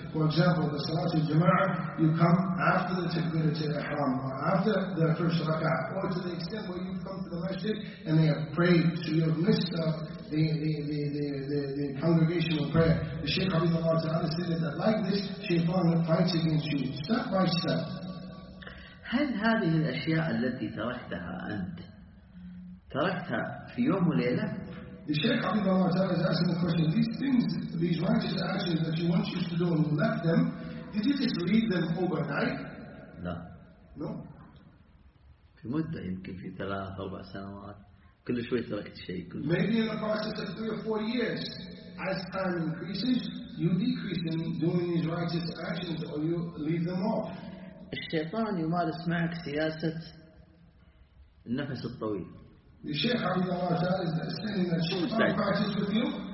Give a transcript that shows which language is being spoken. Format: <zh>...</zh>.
<en>For example, the Salat al-Jama'ah, you come after the Takbiratul Ihram, or after the first rak'ah, or to the extent where you come to the masjid and they have prayed, so you have missed the congregational prayer. The Shaykh Habibullah Ta'ala said that like this, Shaytan fights against you, step by step.</en> <ar>هل هذه الأشياء التي تركتها أنت تركتها في يوم وليلة؟</ar> <en>The Shaykh Habibullah Ta'ala is asking the question, these things, these righteous actions that you once used to do and you left them, did you just leave them overnight? No. No?</en> <ar>في مدة يمكن في ثلاث أربع سنوات كل شوي تركت شيء.</ar> <en>Maybe in the process of 3 or 4 years, as time increases, you decrease in doing these righteous actions or you leave them off.</en> <ar>الشيطان يمارس معك سياسة النفس الطويل.</ar> <en>The Shaykh Habibullah is saying that Shaytan practices with you.</en>